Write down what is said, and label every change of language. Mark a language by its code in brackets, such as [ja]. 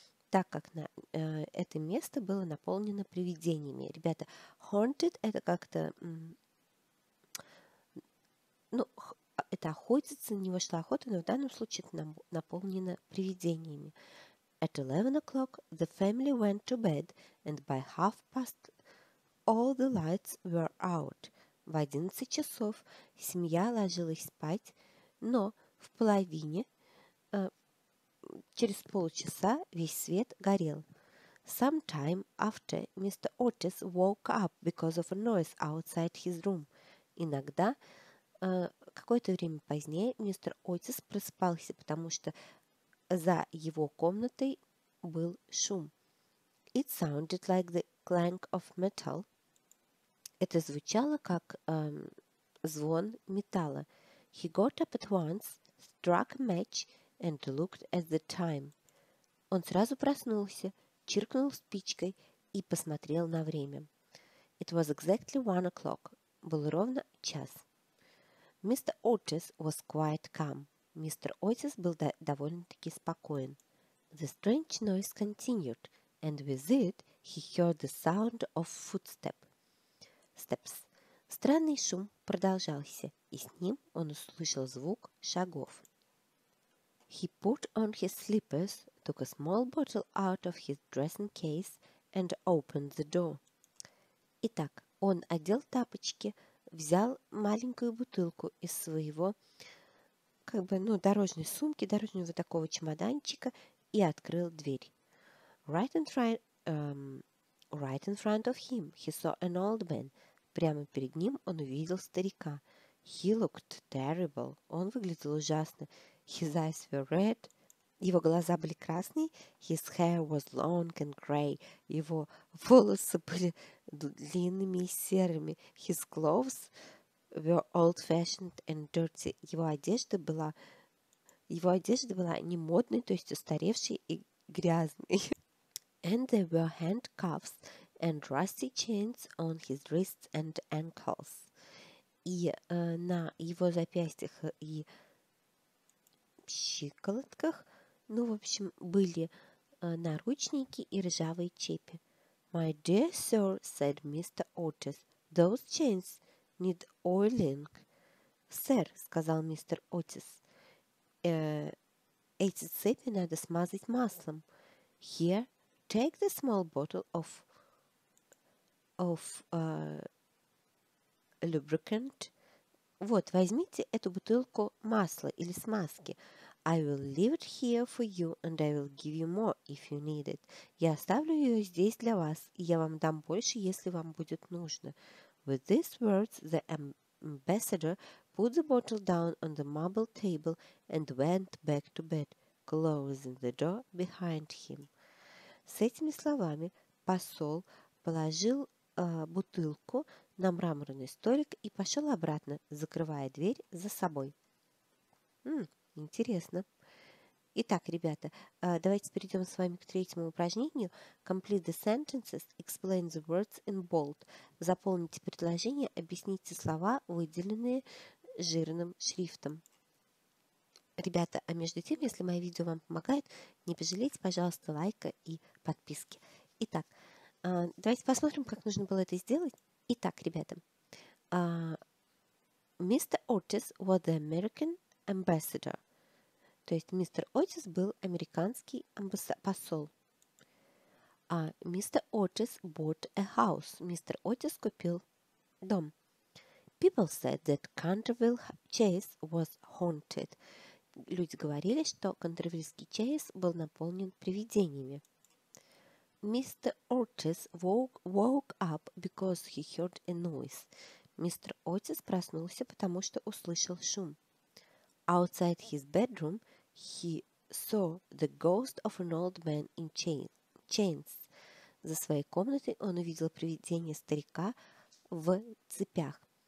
[ru] так как на, это место было наполнено привидениями. Ребята, haunted – это как-то... Ну, это охотится, на него шла охота, но в данном случае это наполнено привидениями. [en] At 11 o'clock, the family went to bed, and by half past, all the lights were out. [ru] В 11 часов семья ложилась спать, но в половине, через полчаса, весь свет горел. [en] Sometime after, Mr. Otis woke up because of a noise outside his room. [ru] Иногда, какое-то время позднее, мистер Отис просыпался, потому что за его комнатой был шум. [en] It sounded like the clank of metal. [ru] Это звучало как звон металла. [en] He got up at once, struck a match, and looked at the time. [ru] Он сразу проснулся, чиркнул спичкой и посмотрел на время. [en] It was exactly 1 o'clock. [ru] Был ровно час. [en] Mr. Otis was quite calm. [ru] Мистер Отис был довольно-таки спокоен. [en] The strange noise continued, and with it he heard the sound of footsteps. [ru] Странный шум продолжался, и с ним он услышал звук шагов. [en] He put on his slippers, took a small bottle out of his dressing case, and opened the door. [ru] Итак, он одел тапочки, взял маленькую бутылку из своего... как бы, ну, дорожной сумки, дорожного такого чемоданчика, и открыл дверь. [en] Right in front of him he saw an old man. [ru] Прямо перед ним он увидел старика. [en] He looked terrible. [ru] Он выглядел ужасно. [en] His eyes were red. [ru] Его глаза были красные. [en] His hair was long and gray. [ru] Его волосы были длинными и серыми. [en] His clothes... were old-fashioned and dirty. [ru] Его одежда была не модной, то есть устаревшей и грязной. [en] And there were handcuffs and rusty chains on his wrists and ankles. [ru] И на его запястьях и щиколотках, ну, в общем, были наручники и ржавые цепи. [en] My dear sir, said Mr. Otis, those chains... need oiling. [ru] Сэр, сказал мистер Отис, эти цепи надо смазать маслом. [en] Here, take the small bottle of lubricant. [ru] Вот, возьмите эту бутылку масла или смазки. [en] I will leave it here for you, and I will give you more if you need it. [ru] Я оставлю ее здесь для вас, и я вам дам больше, если вам будет нужно. [en] With these words, the ambassador put the bottle down on the marble table and went back to bed, closing the door behind him. [ru] С этими словами посол положил бутылку на мраморный столик и пошел обратно, закрывая дверь за собой. Интересно. Итак, ребята, давайте перейдем с вами к третьему упражнению. [en] Complete the sentences, explain the words in bold. [ru] Заполните предложение, объясните слова, выделенные жирным шрифтом. Ребята, а между тем, если мое видео вам помогает, не пожалейте, пожалуйста, лайка и подписки. Итак, давайте посмотрим, как нужно было это сделать. Итак, ребята, Mr. [en] Otis was the American ambassador. [ru] То есть мистер Отис был американский посол. А мистер Отис [en] bought a house. [ru] Мистер Отис купил дом. [en] People said that Canterville Chase was haunted. [ru] Люди говорили, что Canterville Chase был наполнен привидениями. Mr. [en] Otis woke up because he heard a noise. [ru] Мистер Отис проснулся, потому что услышал шум. [en] Outside his bedroom he saw the ghost of an old man in chains. [ru] За своей комнатой он увидел привидение старика в цепях.